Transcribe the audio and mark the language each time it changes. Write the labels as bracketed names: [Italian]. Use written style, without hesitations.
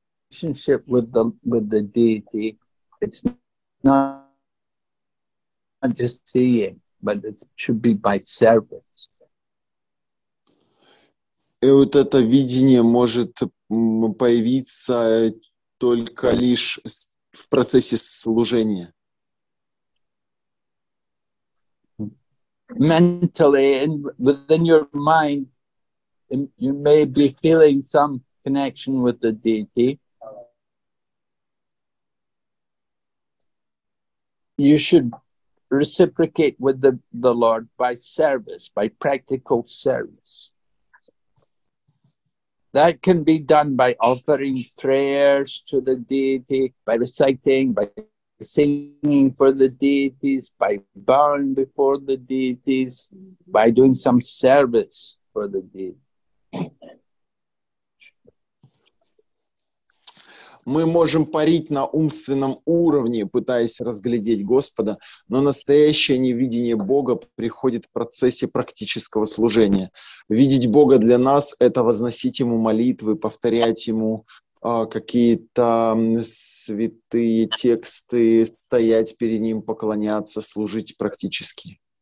[English] Relationship with the deity, it's not just seeing, but it should be by service. [Russian] И вот это видение может появиться только лишь в процессе служения. [English] Mentally, within your mind, you may be feeling some connection with the deity. You should reciprocate with the Lord by service, by practical service. That can be done by offering prayers to the deity, by reciting, by singing for the deities, by bowing before the deities, by doing some service for the deities. [Russian] Мы можем парить на умственном уровне, пытаясь разглядеть Господа, но настоящее невидение Бога приходит в процессе практического служения. Видеть Бога для нас — это возносить Ему молитвы, повторять Ему какие-то святые тексты, стоять перед Ним, поклоняться, служить практически.